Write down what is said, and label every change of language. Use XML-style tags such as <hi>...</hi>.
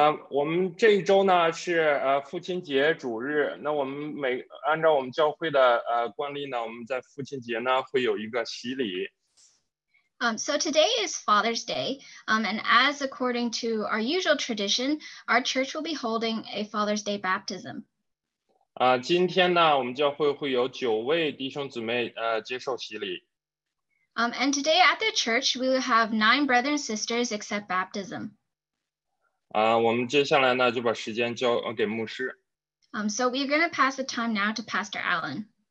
<zh>我们这一周呢是父亲节主日。那我们按照我们教会的惯例呢，我们在父亲节呢会有一个洗礼。</zh> <en>So today is Father's Day. And as according to our usual tradition, our church will be holding a Father's Day baptism.</en> <zh>今天呢，我们教会会有9位弟兄姊妹接受洗礼。</zh> <en>And today at the church, we will have 9 brothers and sisters accept baptism.</en> <zh>我们接下来呢就把时间交给牧师。</zh> <en>So we're going to pass the time now to Pastor Allen.</en>